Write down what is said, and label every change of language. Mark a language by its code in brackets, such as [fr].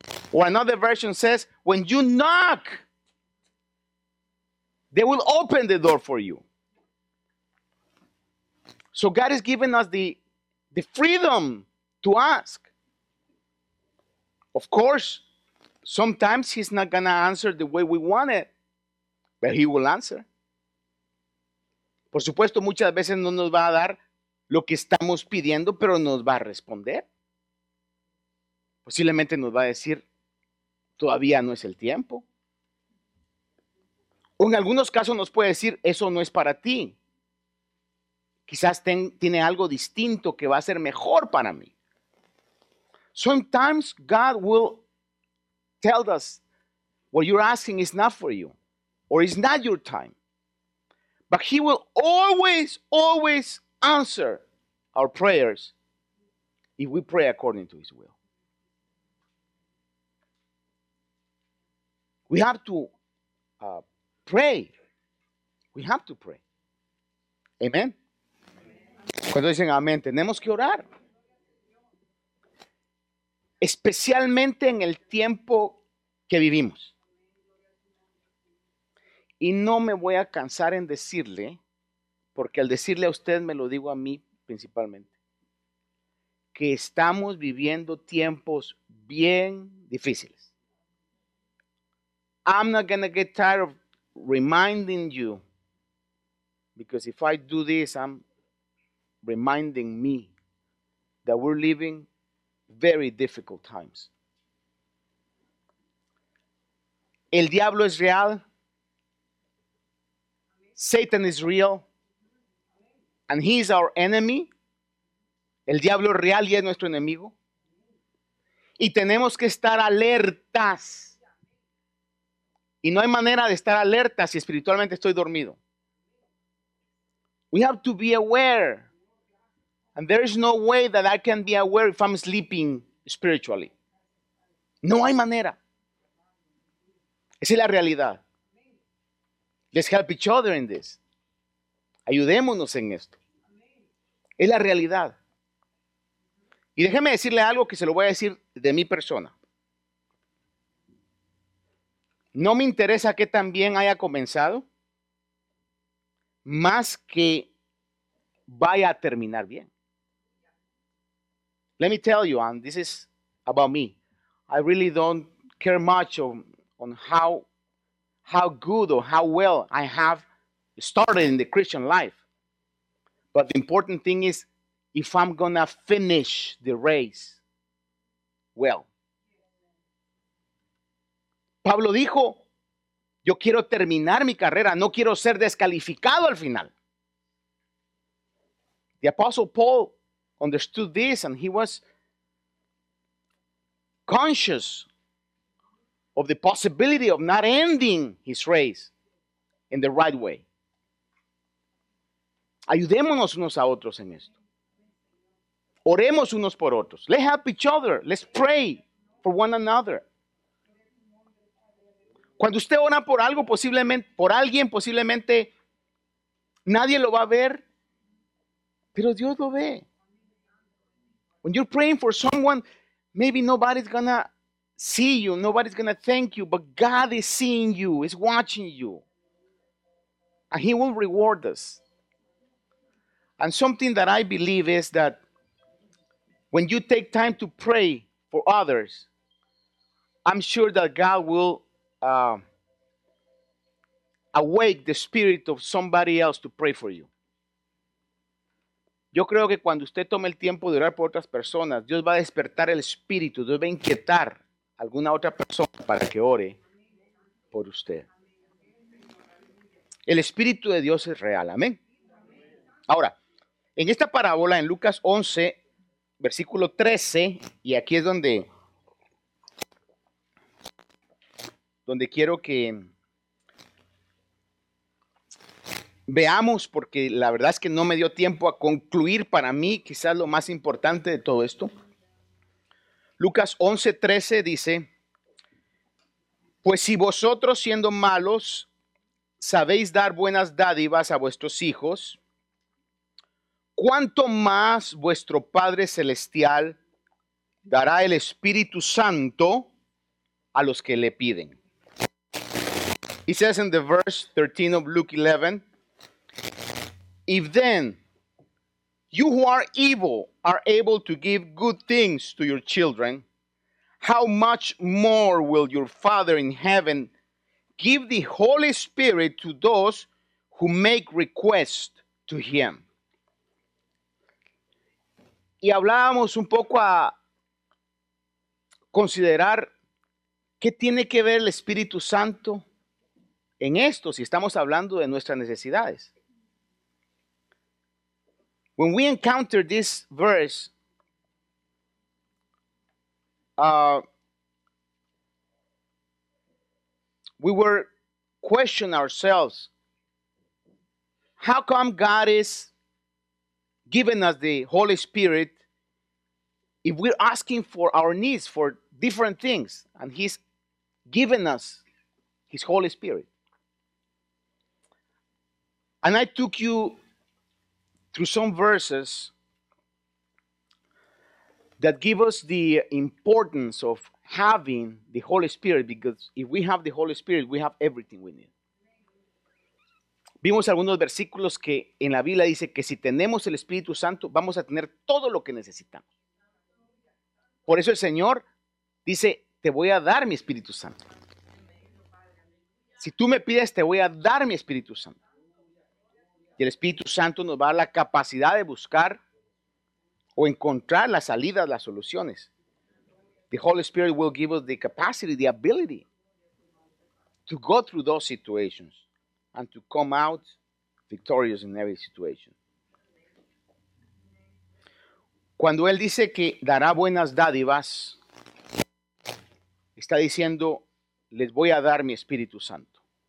[en] Or another version says, when you knock, they will open the door for you. So God has given us the freedom to ask. Of course, sometimes he's not going to answer the way we want it, but he will answer. [es] Por supuesto, muchas veces no nos va a dar lo que estamos pidiendo, pero nos va a responder. Posiblemente nos va a decir, todavía no es el tiempo. O en algunos casos nos puede decir, eso no es para ti. Quizás tiene algo distinto que va a ser mejor para mí. [en] Sometimes God will tell us what you're asking is not for you, or it's not your time. But he will always, always answer our prayers if we pray according to his will. We have to pray. We have to pray. Amen. [es] Cuando dicen amén, tenemos que orar. Especialmente en el tiempo que vivimos. Y no me voy a cansar en decirle, porque al decirle a usted me lo digo a mí principalmente, que estamos viviendo tiempos bien difíciles. [en] I'm not going to get tired of reminding you, because if I do this, I'm reminding me that we're living very difficult times. [es] El diablo es real. [en] Satan is real. And he is our enemy. [es] El diablo es real y es nuestro enemigo. Y tenemos que estar alertas. Y no hay manera de estar alerta si espiritualmente estoy dormido. [en] We have to be aware. And there is no way that I can be aware if I'm sleeping spiritually. [es] No hay manera. Esa es la realidad. [en] Let's help each other in this. [es] Ayudémonos en esto. Es la realidad. Y déjeme decirle algo que se lo voy a decir de mi persona. No me interesa que también haya comenzado, más que vaya a terminar bien. [en] Let me tell you, and this is about me. I really don't care much on how good or how well I have started in the Christian life. But the important thing is if I'm going to finish the race well. [es] Pablo dijo, yo quiero terminar mi carrera, no quiero ser descalificado al final. [en] The Apostle Paul understood this and he was conscious of the possibility of not ending his race in the right way. [es] Ayudémonos unos a otros en esto. Oremos unos por otros. [en] Let's help each other. Let's pray for one another. [es] Cuando usted ora por algo, posiblemente, por alguien, posiblemente nadie lo va a ver, pero Dios lo ve. [en] When you're praying for someone, maybe nobody's gonna see you, nobody's gonna thank you, but God is seeing you, is watching you, and He will reward us. And something that I believe is that when you take time to pray for others, I'm sure that God will awake the spirit of somebody else to pray for you. [es] Yo creo que cuando usted tome el tiempo de orar por otras personas, Dios va a despertar el espíritu, Dios va a inquietar a alguna otra persona para que ore por usted. El espíritu de Dios es real, amén. Ahora, en esta parábola, en Lucas 11, versículo 13, y aquí es donde quiero que veamos, porque la verdad es que no me dio tiempo a concluir para mí quizás lo más importante de todo esto. Lucas 11, 13 dice: pues si vosotros siendo malos sabéis dar buenas dádivas a vuestros hijos, ¿cuánto más vuestro Padre Celestial dará el Espíritu Santo a los que le piden? [en] He says in the verse 13 of Luke 11, if then you who are evil are able to give good things to your children, how much more will your Father in heaven give the Holy Spirit to those who make request to Him? [es] Y hablábamos un poco a considerar qué tiene que ver el Espíritu Santo en esto, si estamos hablando de nuestras necesidades. [en] When we encounter this verse, we were questioning ourselves, how come God is giving us the Holy Spirit if we're asking for our needs for different things and He's giving us His Holy Spirit? And I took you through some verses that give us the importance of having the Holy Spirit, because if we have the Holy Spirit, we have everything we need. [es] Vimos algunos versículos que en la Biblia dice que si tenemos el Espíritu Santo, vamos a tener todo lo que necesitamos. Por eso el Señor dice, te voy a dar mi Espíritu Santo. Si tú me pides, te voy a dar mi Espíritu Santo. Y el Espíritu Santo nos va a dar la capacidad de buscar o encontrar las salidas, las soluciones. [en] The Holy Spirit will give us the capacity, the ability to go through those situations and to come out victorious in every situation. [es] Cuando Él dice que dará buenas dádivas, está diciendo, les voy a dar mi Espíritu Santo.